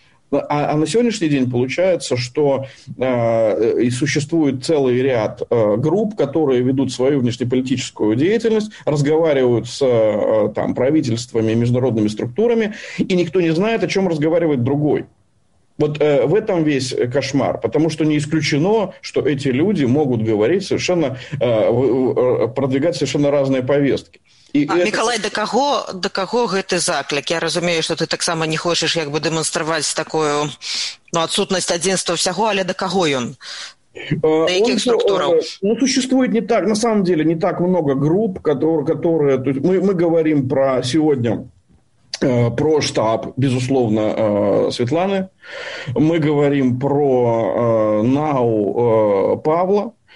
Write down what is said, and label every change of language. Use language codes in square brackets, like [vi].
[ru] А на сегодняшний день получается, что существует целый ряд групп, которые ведут свою внешнеполитическую деятельность, разговаривают с там, правительствами, международными структурами, и никто не знает, о чем разговаривает другой. Вот в этом весь кошмар, потому что не исключено, что эти люди могут говорить совершенно, продвигать совершенно разные повестки. [be] Миколай, до кого гэты заклік? Я разумею, што ты таксама не хочаш як бы дэманстраваць такую, ну, адсутнасць адзінства ўсяго, але да каго ён? [ru] На каких структурах? Ну, существует не так, на самом деле, не так много групп, которые... То есть мы говорим про сегодня... про штаб, безусловно, Светланы. Мы говорим про НАУ Павла.